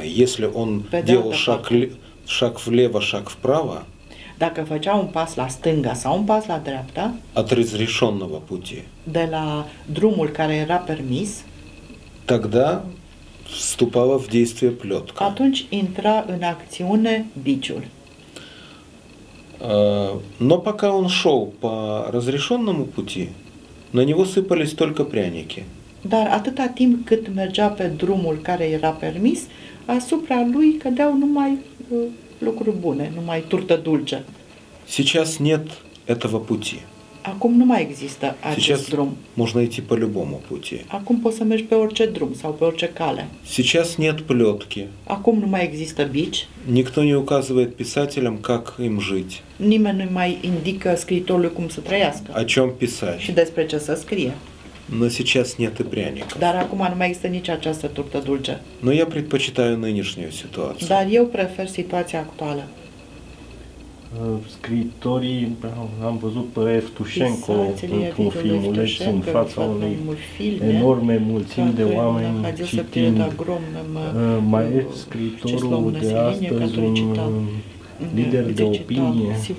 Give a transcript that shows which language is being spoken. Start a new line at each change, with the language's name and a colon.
Russian: Если он делал шаг влево, шаг вправо,
Romanian: dacă făcea un pas la stânga sau un pas la dreapta,
Russian: от разрешенного пути,
Romanian: de la drumul care era permis,
Russian: тогда вступала в действие плетка.
Romanian: Atunci intra în acțiune biciul.
Russian: Но пока он шел по разрешенному пути, на него сыпались только пряники.
Romanian: Dar atâta timp cât mergea pe drumul care era permis, asupra lui cădeau numai lucruri bune, numai turtă dulce.
Russian: Сейчас нет этого пути.
Romanian: Acum nu mai există acest
Russian: Сейчас
Romanian: drum.
Russian: Можно идти по любому пути.
Romanian: Acum poți să mergi pe orice drum sau pe orice cale.
Russian: Сейчас нет плетки.
Romanian: Acum nu mai există
Russian: бич. Никто не указывает писателям, как им жить.
Romanian: Nimeni nu mai indică scriitorului cum să trăiască.
Russian: О чем писать.
Romanian: Și despre ce să scrie.
Russian: Но сейчас нет и пряника.
Romanian: Dar acum nu mai există nici această turtă dulce.
Russian: Но я предпочитаю нынешнюю ситуацию.
Romanian: Dar eu prefer situația actuală. Scriitorii, am văzut pe Evtușenko într-un filmuleț în fața unei enorme mulțimi de oameni citind. Mai e scriitorul de astăzi un lider de opinie?